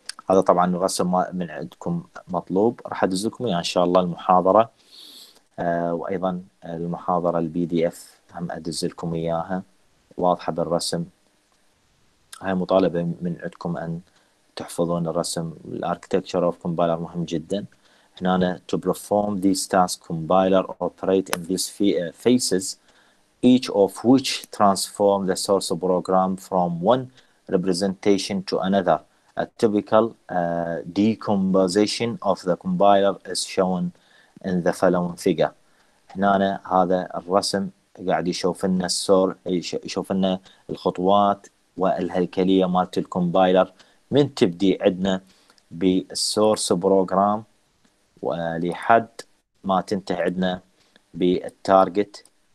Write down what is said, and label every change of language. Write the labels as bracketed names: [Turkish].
[Arabic] هذا طبعا الرسم من عندكم مطلوب، راح ادزكم اياه ان شاء الله المحاضره. وايضا المحاضره البي دي اف هم ادز لكم اياها واضحه بالرسم. هاي مطالبه من عندكم ان تحفظون الرسم. [English] الاركتكتشر of compiler [Arabic] مهم جدا. [English] هنا to perform these tasks compiler operate in these phases each of which transform the source program from one representation to another. A typical decomposition of the compiler is shown in the following figure. [Arabic] هنا هذا الرسم قاعد يشوف لنا يشوف لنا الخطوات والهيكلية مالت الكومبايلر من تبدي عندنا بالسورس بروجرام ولحد ما تنتهي عندنا بالتارجت.